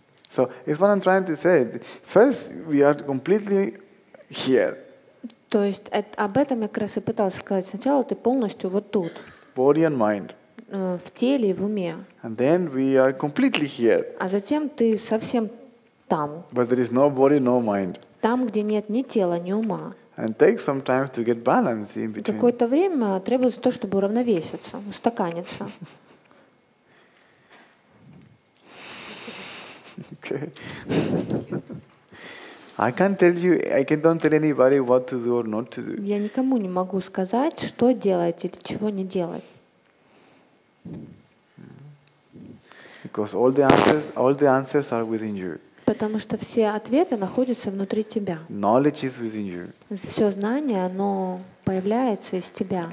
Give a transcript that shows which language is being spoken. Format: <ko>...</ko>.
<en>So it's what I'm trying to say. First, we are completely here.</en> <ru>То есть об этом я как раз и пытался сказать. Сначала ты полностью вот тут.</ru> <en>Body and mind.</en> <ru>В теле и в уме.</ru> <en>And then we are completely here.</en> <ru>А затем ты совсем там.</ru> <en>But there is no body, no mind.</en> <ru>Там, где нет ни тела, ни ума.</ru> <en>And take some time to get balance in between.</en> <ru>Какое-то время требуется то, чтобы уравновеситься, устаканиться.</ru> <en>Okay. I don't tell anybody what to do or not to do.</en> <ru>Я никому не могу сказать, что делать или чего не делать.</ru> <en>Because all the answers are within you.</en> <ru>Потому что все ответы находятся внутри тебя.</ru> <en>Knowledge is within you.</en> <ru>Все знание, оно появляется из тебя.</ru>